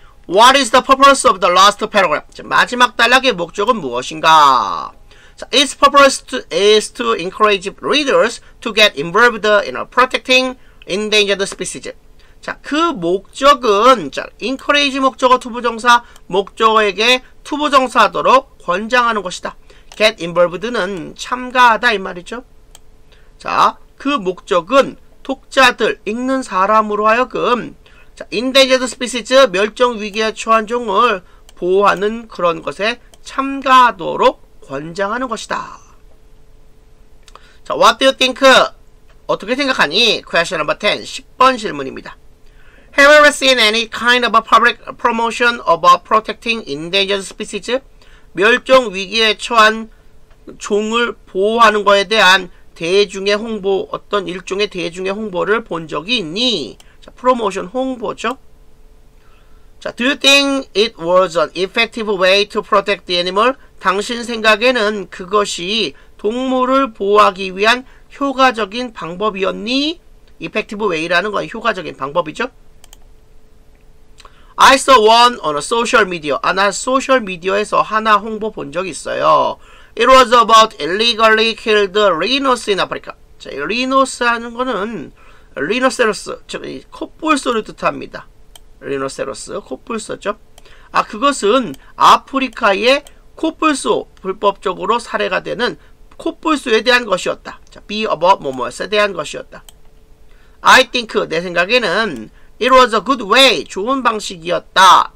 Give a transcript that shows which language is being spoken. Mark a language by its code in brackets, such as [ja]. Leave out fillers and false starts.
[en] What is the purpose of the last paragraph? [ko] 마지막 단락의 목적은 무엇인가? [en] Its purpose is to encourage readers to get involved in protecting endangered species. [ko] 자, 그 목적은 자, encourage 목적어 투부정사 목적어에게 투부정사하도록 권장하는 것이다. Get involved는 참가하다 이 말이죠. 자, 그 목적은 독자들 읽는 사람으로 하여금 자, endangered species 멸종 위기에 처한 종을 보호하는 그런 것에 참가하도록 권장하는 것이다. 자, [en] what do you think? [ko] 어떻게 생각하니? [en] Question number 10, [ko] 10번 질문입니다. [en] Have you ever seen any kind of a public promotion about protecting endangered species? [ko] 멸종 위기에 처한 종을 보호하는 것에 대한 대중의 홍보, 어떤 일종의 대중의 홍보를 본 적이 있니? 자, 프로모션 홍보죠. [en] 자, do you think it was an effective way to protect the animal? [ko] 당신 생각에는 그것이 동물을 보호하기 위한 효과적인 방법이었니? Effective way라는 건 효과적인 방법이죠. [en] I saw one on a social media. [ko] 아, 나 소셜 미디어에서 하나 홍보 본 적 있어요. [en] It was about illegally killed rhinos in Africa. [ko] 자, 리노스라는 거는 리노세로스, 즉 코뿔소를 뜻합니다. 리노세로스, 코뿔소죠. 아, 그것은 아프리카의 코뿔소, 불법적으로 살해가 되는 코뿔소에 대한 것이었다. [en] 자, be about [ko] 뭐뭐에 대한 것이었다. [en] I think, [ko] 내 생각에는 [en] It was a good way, [ko] 좋은 방식이었다.